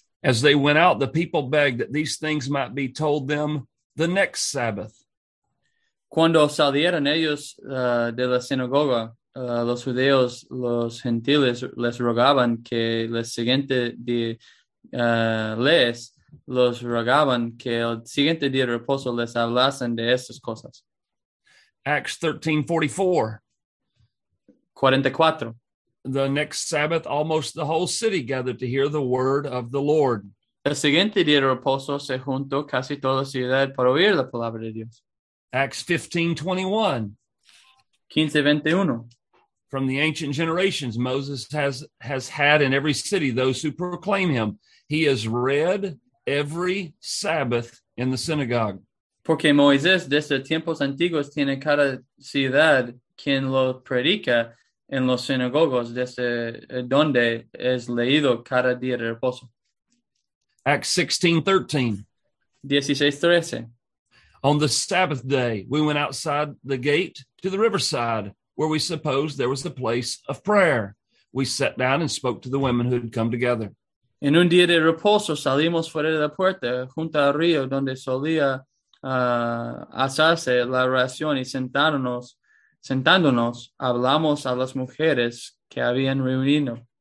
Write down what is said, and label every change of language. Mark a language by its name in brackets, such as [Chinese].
[English] As they went out, the people begged that these things might be told them the next Sabbath. [Spanish] Cuando salieron ellos de la sinagoga, los judíos, los gentiles, les rogaban que les siguiente día les los rogaban que el siguiente día de reposo les hablasen de estas cosas. [English] Acts 13:44. The next Sabbath, almost the whole city gathered to hear the word of the Lord. [Spanish] El siguiente día de reposo se juntó casi toda la ciudad para oír la palabra de Dios. [English] Acts 15:21. From the ancient generations, Moses has had in every city those who proclaim him. He is read every Sabbath in the synagogue. [Spanish] Porque Moisés desde tiempos antiguos tiene cada ciudad quien lo predica en los sinagogos desde donde es leído cada día de reposo. [English] Acts 16:13. On the Sabbath day, we went outside the gate to the riverside, where we supposed there was a place of prayer. We sat down and spoke to the women who had come together. [Spanish] En un día de reposo salimos fuera de la puerta, junto al río donde solía asarse la oración y sentándonos, hablamos a las mujeres que habían reunido.